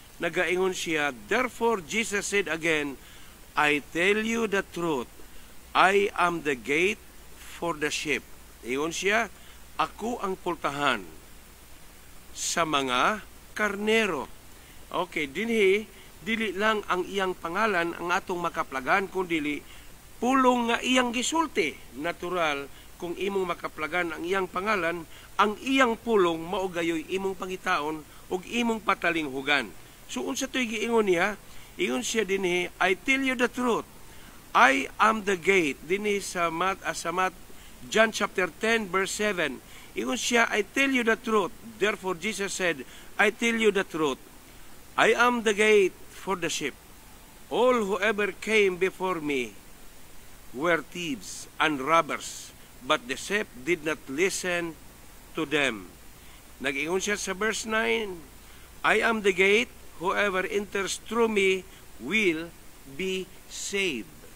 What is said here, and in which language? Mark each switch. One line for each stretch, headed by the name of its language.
Cebuano: Nagaingon siya,
English: "Therefore Jesus said again, I tell you the truth, I am the gate for the sheep."
Cebuano: Ingon siya, "Ako ang pultahan sa mga karnero." Okay, dinhi, dili lang ang iyang pangalan ang atong makaplagan, kundili pulong nga iyang gisulti. Natural, kung imong makaplagan ang iyang pangalan, ang iyang pulong maugayoy imong pangitaon o imong patalinghugan. So, unsa to'y giingon niya? Ingon siya din,
English: "I tell you the truth, I am the gate."
Cebuano: Din sa John chapter 10, verse 7. Ingon siya,
English: "I tell you the truth. Therefore, Jesus said, I tell you the truth. I am the gate for the sheep. All whoever came before me were thieves and robbers, but the sheep did not listen to them."
Cebuano: Nag-ingon siya sa verse 9,
English: "I am the gate. Whoever enters through me will be saved."